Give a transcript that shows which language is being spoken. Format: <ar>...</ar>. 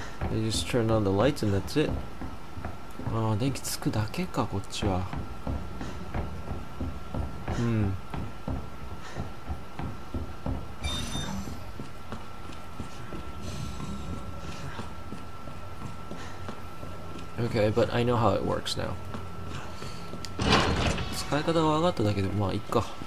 <en>They just turn on the lights and that's it.</en> <ja>Ah, 電気つくだけか、こっちは。</ja> <en>Okay, but I know how it works now.</en> <ja>使い方が分かっただけで、まあいっか。</ja>